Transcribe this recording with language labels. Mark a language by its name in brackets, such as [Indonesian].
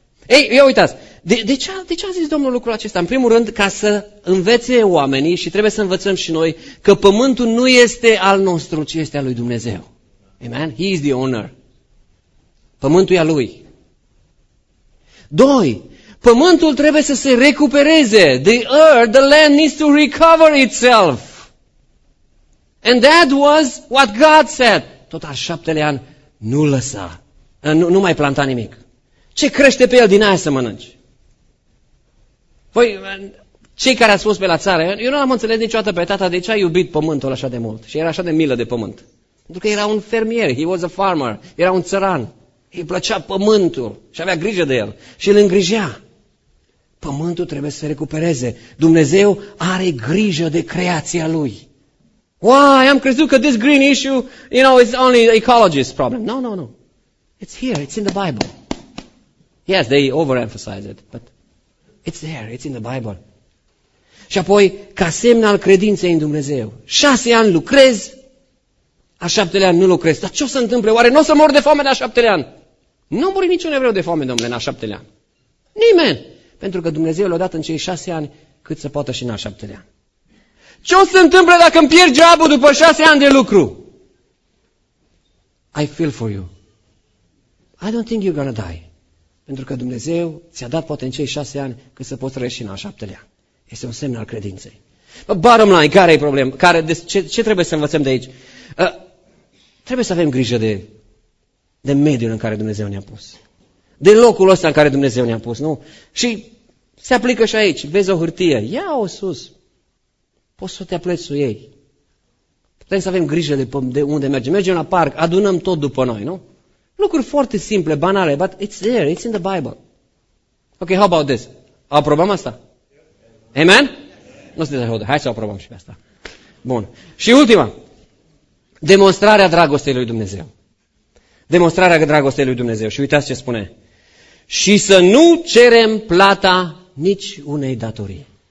[Romanian] Ei, ia uitați, de ce a zis Domnul lucrul acesta? În primul rând, ca să învețe oamenii, și trebuie să învățăm și noi, că pământul nu este al nostru, ci este al lui Dumnezeu. Amen? [English] He is the owner. [Romanian] Pământul e al lui. Doi, pământul trebuie să se recupereze. [English] The earth, the land needs to recover itself. And that was what God said. [Romanian] Tot al șaptelea an, nu lăsa, nu mai planta nimic. Ce crește pe el, din aia să mănânci. Voi, cei care ați fost pe la țară, eu nu am înțeles niciodată pe tata de ce a iubit pământul așa de mult și era așa de milă de pământ. Pentru că era un fermier, [English] he was a farmer, [Romanian] era un țăran. Îi plăcea pământul și avea grijă de el și îl îngrijea. Pământul trebuie să se recupereze. Dumnezeu are grijă de creația lui. [English] Why? [Romanian] Am crezut că [English] this green issue, you know, it's only ecologist problem. No, no, no. It's here, it's in the Bible. Yes, they overemphasize it, but it's there, it's in the Bible. [Romanian] Și apoi, ca semn al credinței în Dumnezeu, 6 ani lucrez, a 7-lea an nu lucrez. Dar ce o să întâmple? Oare nu o să mor de foame la 7-lea an? Nu muri niciun evreu de foame, domnule, la 7-lea an. Nimeni! Pentru că Dumnezeu l-a dat în cei 6 ani cât să poată și în a 7-lea an. Ce o să întâmple dacă îmi pierd job-ul după 6 ani de lucru? [English] I feel for you. I don't think you're gonna die. [Romanian] Pentru că Dumnezeu ți-a dat poate în cei 6 ani cât să poți trăi și în a 7-lea. Este un semn al credinței. [English] But bottom line, [Romanian] care e problema? Ce trebuie să învățăm de aici? Trebuie să avem grijă de mediul în care Dumnezeu ne-a pus. De locul ăsta în care Dumnezeu ne-a pus, nu? Și se aplică și aici. Vezi o hârtie, ia-o sus. Poți să te apleci cu ei. Trebuie să avem grijă de unde mergem. Mergem la parc, adunăm tot după noi, nu? Lucruri foarte simple, banale, [English] but it's there, it's in the Bible. Ok, how about this? [Romanian] Aprobăm asta? [English] Amen? [Romanian] Nu sunteți așa, hai să aprobăm și pe asta. Bun. Și ultima. Demonstrarea dragostei lui Dumnezeu. Demonstrarea dragostei lui Dumnezeu. Și uitați ce spune. Și să nu cerem plata nici unei datorii.